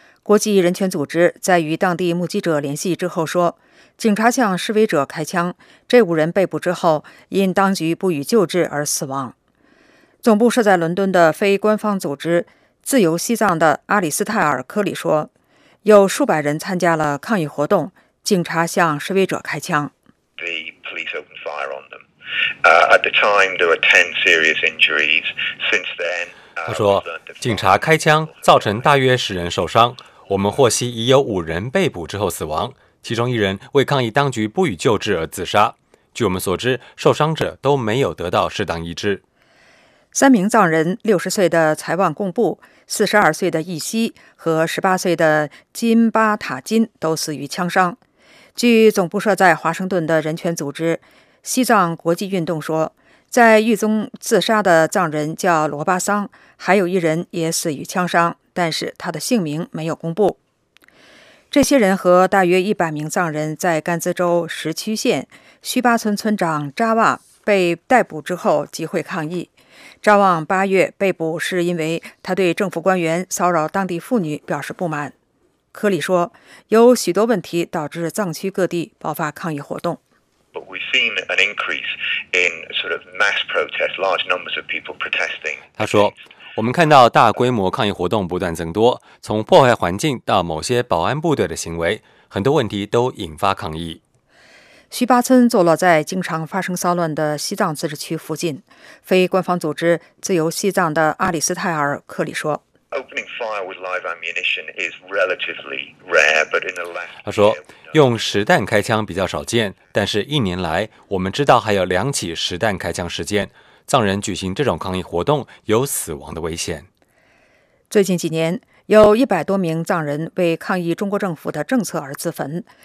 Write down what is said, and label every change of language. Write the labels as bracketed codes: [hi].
[zh] 国际人权组织在与当地目击者联系之后说，警察向示威者开枪，这五人被捕之后因当局不予救治而死亡。总部设在伦敦的非官方组织自由西藏的阿里斯泰尔·科里说，有数百人参加了抗议活动，警察向示威者开枪。 [en] The police opened fire on them. At the time, there were 10 serious injuries. Since then, [zh] 他说，警察开枪，造成大约10人受伤。我们获悉已有5人被捕之后死亡，其中一人为抗议当局不予救治而自杀。据我们所知，受伤者都没有得到适当医治。三名藏人，60岁的财旺贡布、42岁的易西和18岁的金巴塔金都死于枪伤。据总部设在华盛顿的人权组织西藏国际运动说，在狱中自杀的藏人叫罗巴桑，还有一人也死于枪伤，但是他的姓名没有公布。这些人和大约100名藏人在甘孜州石区县须巴村村长扎瓦被逮捕之后集会抗议。扎瓦八月被捕是因为他对政府官员骚扰当地妇女表示不满。科里说，有许多问题导致藏区各地爆发抗议活动。 [en] But we've seen an increase in sort of mass protests, large numbers of people protesting. [zh] 他说，我们看到大规模抗议活动不断增多，从破坏环境到某些保安部队的行为，很多问题都引发抗议。须巴村坐落在经常发生骚乱的西藏自治区附近，非官方组织自由西藏的阿里斯泰尔·科里说。 [en] Opening fire with live ammunition is relatively rare, but in the last. [zh] 他说，用实弹开枪比较少见，但是一年来，我们知道还有2起实弹开枪事件。藏人举行这种抗议活动有死亡的危险。最近几年，有100多名藏人为抗议中国政府的政策而自焚。